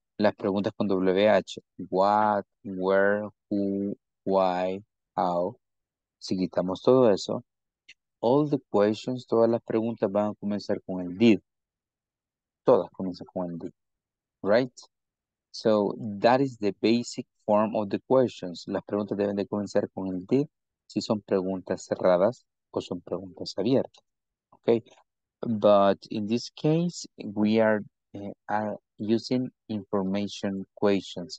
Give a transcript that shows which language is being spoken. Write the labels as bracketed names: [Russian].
[Spanish] las preguntas con WH. [English] What, where, who, why, how. [Spanish] Si quitamos todo eso, [English] all the questions, [Spanish] todas las preguntas van a comenzar con el did. Todas comienzan con el did. Right? [English] So, that is the basic form of the questions. [Spanish] Las preguntas deben de comenzar con el did si son preguntas cerradas o son preguntas abiertas. [English] Okay? But in this case, we are using information questions.